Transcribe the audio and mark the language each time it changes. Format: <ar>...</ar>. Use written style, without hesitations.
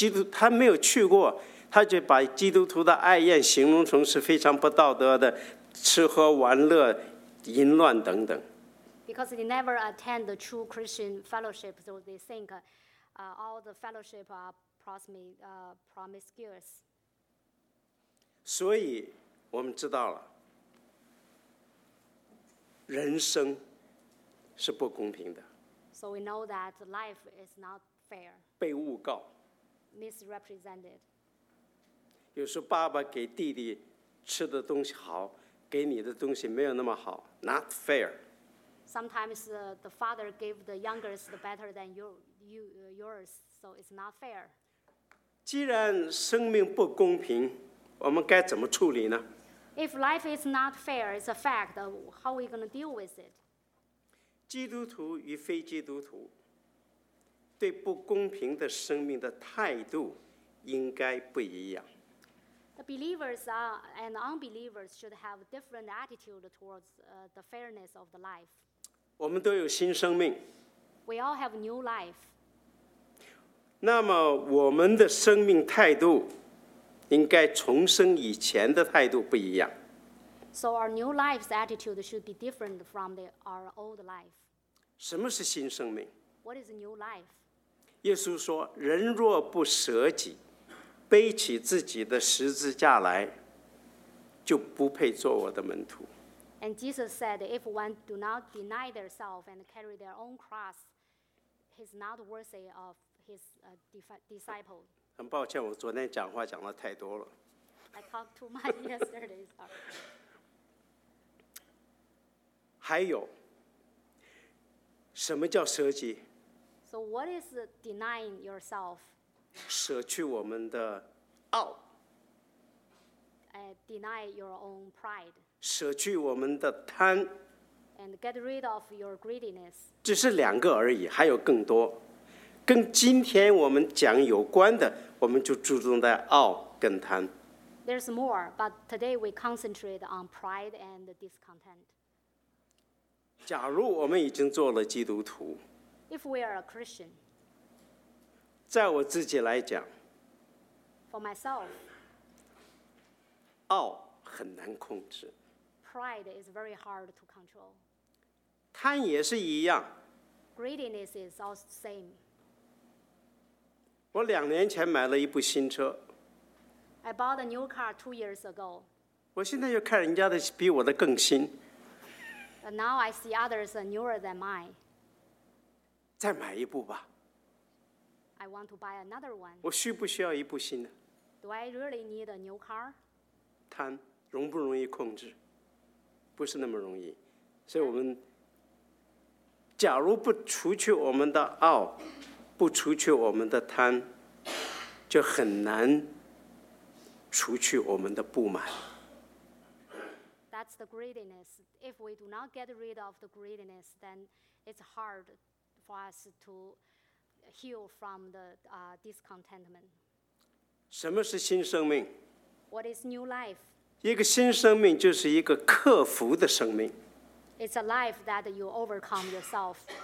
<zh>他没有去过，他就把基督徒的爱宴形容成是非常不道德的，吃喝玩乐、淫乱等等。</zh> <en>Because they never attend the true Christian fellowship, so they think all the fellowship are promiscuous.</en> <zh>所以我们知道了，人生是不公平的。</zh> <en>So we know that life is not fair.</en> <zh>被诬告</zh> <en>misrepresented.</en> <zh>有时候爸爸给弟弟吃的东西好，给你的东西没有那么好</zh> <en>not fair. Sometimes the father gave the youngest better than yours, so it's not fair.</en> <zh>既然生命不公平，我们该怎么处理呢？</zh> <en>If life is not fair, it's a fact. How are we going to deal with it?</en> <zh>基督徒与非基督徒对不公平的生命的态度应该不一样。</zh> <en>The believers and unbelievers should have different attitude towards the fairness of the life.</en> <zh>我们都有新生命。</zh> <en>We all have new life.</en> <zh>那么我们的生命态度应该重生以前的态度不一样。</zh> <en>So our new life's attitude should be different from our old life.</en> <zh>什么是新生命？</zh> <en>What is new life?</en> <zh>耶稣说：“人若不舍己，背起自己的十字架来，就不配做我的门徒。”</zh> <en>And Jesus said, "If one do not deny themselves and carry their own cross, he is not worthy of his disciple."</en> <zh>很抱歉，我昨天讲话讲了太多了。</zh> <en>I talked too much yesterday. Sorry.</en> <zh>还有。什么叫舍己？</zh> <en>So what is denying yourself?</en> <zh>舍去我们的傲。</zh> <en>Deny your own pride.</en> <zh>舍去我们的贪。</zh> <en>And get rid of your greediness.</en> <zh>只是两个而已，还有更多。跟今天我们讲有关的，我们就注重在傲跟贪。</zh> <en>There's more, but today we concentrate on pride and discontent.</en> <zh>假如我们已经做了基督徒,</zh> <en>if we are a Christian,</en> <zh>在我自己来讲,</zh> <en>for myself,</en> <zh>傲很难控制,</zh> <en>pride is very hard to control.</en> <zh>贪也是一样,</zh> <en>greediness is all the same.</en> <zh>我2年前买了一部新车,</zh> <en>I bought a new car 2 years ago.</en> <zh>我现在又看人家的比我的更新,</zh> <en>but now I see others are newer than mine.</en> <zh>再买一部吧,</zh> <en>I want to buy another one.</en> <zh>我需不需要一部新的?</zh> <en>Do I really need a new car?</en> <zh>贪容不容易控制? 不是那么容易, 所以我们假如不除去我们的傲, 不除去我们的贪, 就很难除去我们的不满。</zh> <en>That's the greediness. If we do not get rid of the greediness, then it's hard for us to heal from the discontentment.</en> <zh>什么是新生命?</zh> <en>What is new life?</en> <zh>一个新生命就是一个克服的生命。</zh> <en>It's a life that you overcome yourself.</en>